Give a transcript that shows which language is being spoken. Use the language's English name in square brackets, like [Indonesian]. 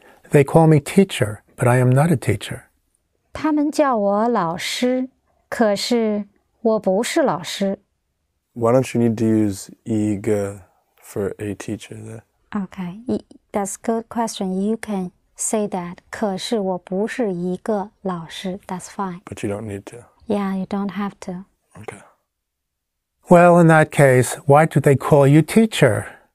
[English] They call me teacher, but I am not a teacher. [Chinese] 他们叫我老师，可是我不是老师。 [English] Why don't you need to use 一个 for a teacher there? Okay, that's a good question. You can say that. [Chinese] 可是我不是一个老师. [English] That's fine. But you don't need to. Yeah, you don't have to. Okay. Well, in that case, why do they call you teacher?